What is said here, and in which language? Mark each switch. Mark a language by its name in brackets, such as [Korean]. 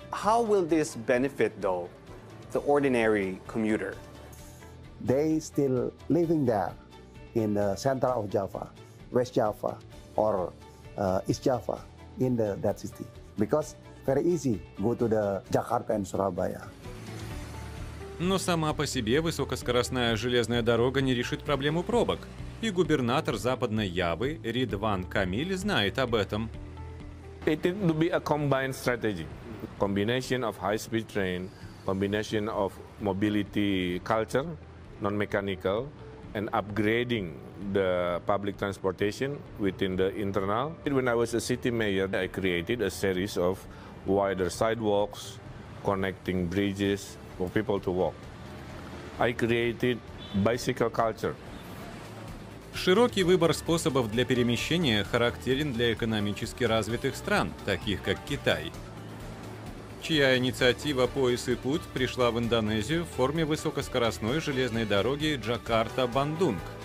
[English] How will this benefit, though, the ordinary commuter? They still living there in the center of Java, West Java, or East Java, in that city. Because very easy, go to the Jakarta and Surabaya. [Russian] Но сама по себе высокоскоростная железная дорога не решит проблему пробок. И губернатор Западной Явы Ридван Камиль знает об этом. [English] It will be a combined strategy. Combination of high-speed train, combination of mobility culture, non-mechanical, and upgrading the public transportation within the internal. When I was a city mayor, I created a series of wider sidewalks, connecting bridges, for people to walk. I created bicycle culture. [Russian] Широкий выбор способов для перемещения характерен для экономически развитых стран, таких как Китай, чья инициатива «Пояс и путь» пришла в Индонезию в форме высокоскоростной железной дороги Джакарта-Бандунг.